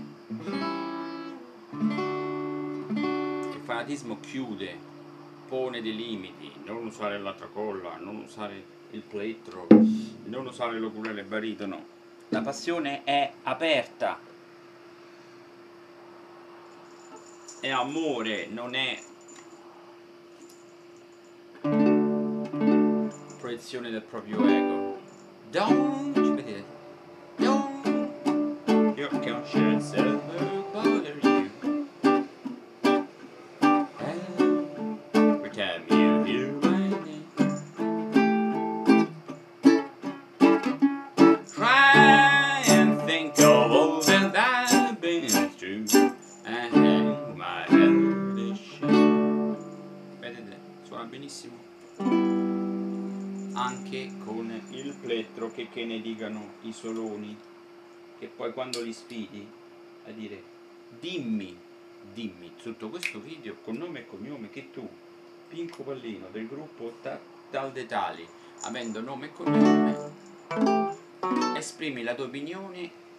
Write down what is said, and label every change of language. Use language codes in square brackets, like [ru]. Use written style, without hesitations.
[it] Il fanatismo chiude, pone dei limiti, non usare la tracolla, non usare il plettro, non usare l'oculele baritono. La passione è aperta, è amore, non è proiezione del proprio ego. [en] Don't, [it] vedete, [en] don't your conscience ever bother you. Every time you hear my name, try and think of all that I've been through and hang my head in shame. [it] Vedete, suona benissimo. Anche con il plettro, che ne dicano i soloni, che poi quando li sfidi a dire dimmi sotto questo video con nome e cognome che tu, Pinco Pallino del gruppo tal de tali, avendo nome e cognome, esprimi la tua opinione